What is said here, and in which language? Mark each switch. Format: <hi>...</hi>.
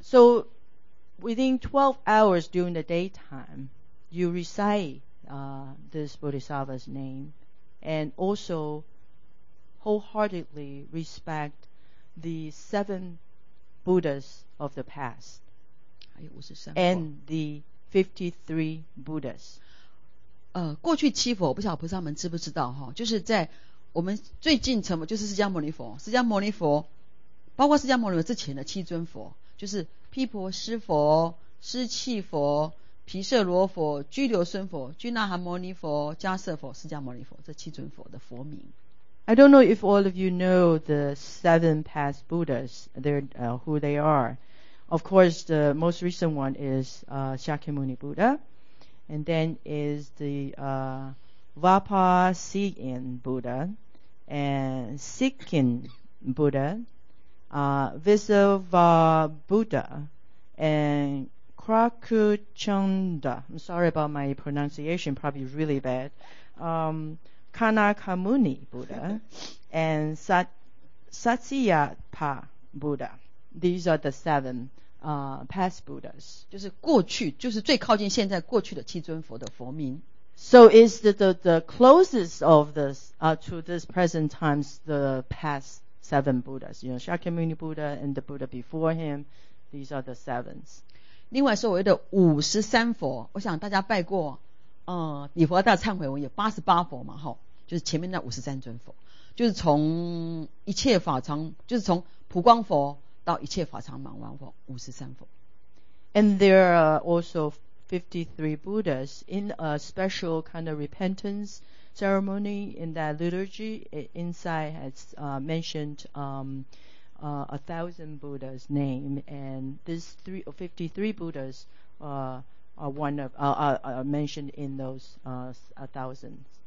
<en>So within 12 hours during the daytime, you recite this Bodhisattva's name, and also wholeheartedly respect the seven Buddhas of the past and the 53 Buddhas.</en> <zh>过去七佛，我不晓得菩萨们知不知道哈，就是在我们最近成就是释迦牟尼佛，释迦牟尼佛包括释迦牟尼佛之前的七尊佛，就是毗婆尸佛、尸气佛、毗舍罗佛、居留孙佛、居那含摩尼佛、迦瑟佛、释迦牟尼佛，这七尊佛的佛名。</zh> <en>I don't know if all of you know the seven past Buddhas, who they are. Of course, the most recent one is Shakyamuni Buddha, and then is the Vāpāsīyin Buddha, and Sikkhin Buddha, Visavabuddha, and Krakuchanda. I'm sorry about my pronunciation, probably really bad. Kanakamuni Buddha and Satsiyapa Buddha. These are the seven past Buddhas.</en> <zh>就是过去，就是最靠近现在过去的七尊佛的佛名。</zh> <en>So is the closest of this to this present times the past seven Buddhas. You know, Shakyamuni Buddha and the Buddha before him. These are the sevens.</en> <zh>另外所谓的五十三佛，我想大家拜过。礼佛大忏悔文有八十八佛嘛，吼，就是前面那五十三尊佛，就是从一切法常，就是从普光佛到一切法常满王佛，五十三佛。</zh> <en>And there are also 53 Buddhas in a special kind of repentance ceremony in that liturgy. Inside has mentioned a thousand Buddhas' name, and these 53 Buddhas are one of mentioned in those thousands.</en>